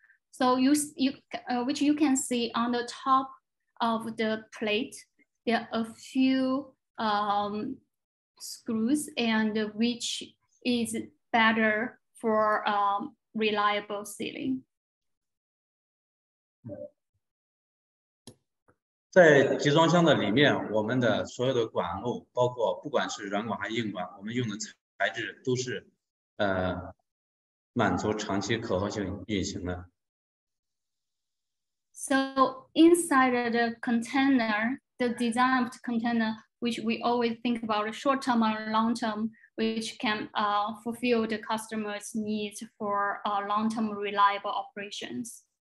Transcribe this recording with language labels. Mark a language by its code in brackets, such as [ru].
[en] So which you can see on the top of the plate, there are a few screws and which is better for reliable sealing. [zh] 在集装箱的里面，我们的所有的管路，包括不管是软管还是硬管，我们用的材质都是满足长期可靠性运行的。 [en] So inside the container, the design of the container, which we always think about short term and long term, which can fulfill the customer's needs for long term reliable operations.